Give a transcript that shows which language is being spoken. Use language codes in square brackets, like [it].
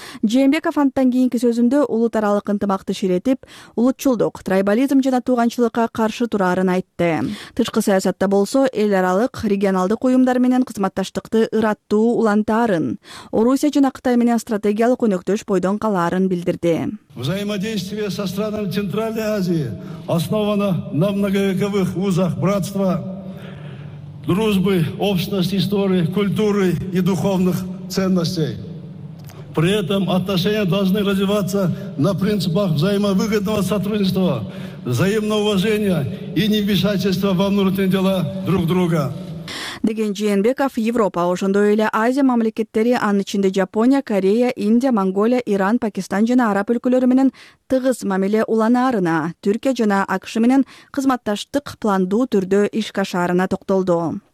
[ky] Жээнбеков анттан кийинки сөзүндө улут аралык ынтымакты ширетип, улутчулдук, трайбализм жана тууганчылыкка каршы тураарын айтты. Тышкы саясатта болсо, эл аралык, регионалдык уюмдар менен кызматташтыкты ыраттуу улантаарын, Орусия жана Кытай менен стратегиялык өнөктөш бойдон калаарын билдирди. [ru] Взаимодействие со странами Центральной Азии основано на многовековых узах братства, дружбы, общности, истории, культуры и духовных ценностей. При этом отношения должны развиваться на принципах взаимовыгодного сотрудничества, взаимного уважения и невмешательства во внутренние дела друг друга. [ky] Деген Жээнбеков, Европа, ошондой эле Азия мамлекеттери, анын ичинде Жапония, Корея, Индия, Монголия, Иран, Пакистан жана Араб өлкөлөрү менен тыгыз мамиле улануусуна, Түркия жана АКШ менен кызматташтык пландуу түрдө ишке ашырууна токтолду.